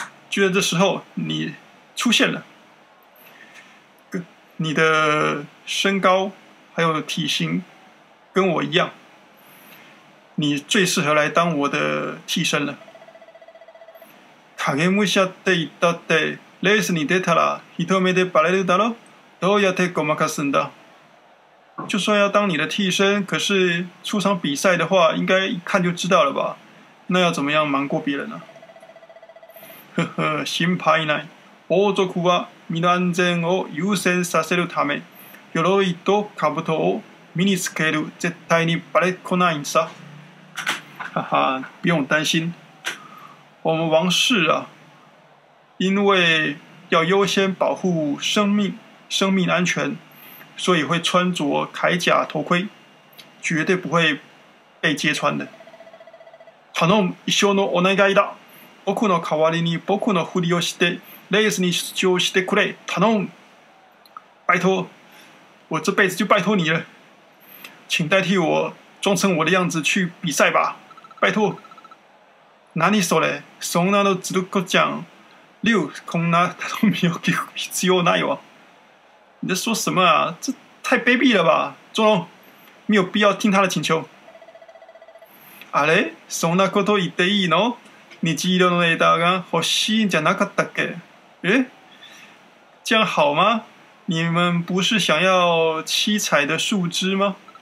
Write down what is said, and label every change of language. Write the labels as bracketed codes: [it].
[zh] 就在这时候你出现了，你的身高还有体型跟我一样，你最适合来当我的替身了。 [ja] 影武者って言ったってレースに出たら一目でバレるだろ。どうやってごまかすんだ？ [zh] 就算要当你的替身，可是出场比赛的话，应该一看就知道了吧？那要怎么样瞒过别人呢？ [ja] 呵呵，心配ない。王族は身の安全を優先させるため、鎧と兜を身につける絶対にバレっこないんさ。 [zh] 哈哈，不用担心。我们王室啊，因为要优先保护生命安全，所以会穿着铠甲头盔，绝对不会被揭穿的。 [ja] 頼む、一生のお願いだ。僕の代わりに僕のふりをして。レースに出場してくれ、頼む。 [zh] 拜托，我这辈子就拜托你了。请代替我，装成我的样子去比赛吧，拜托。 [ja] 何それ、そんなのずるっこじゃん。リュウ、こんな頼みを聞く必要ないわ。 [zh] 你在说什么啊？这太卑鄙了吧，钟龙，没有必要听他的请求。 [ja] あれ、そんなこと言っていいの？虹色の枝が欲しいんじゃなかったっけ？ [zh] え？这样好吗？你们不是想要七彩的树枝吗？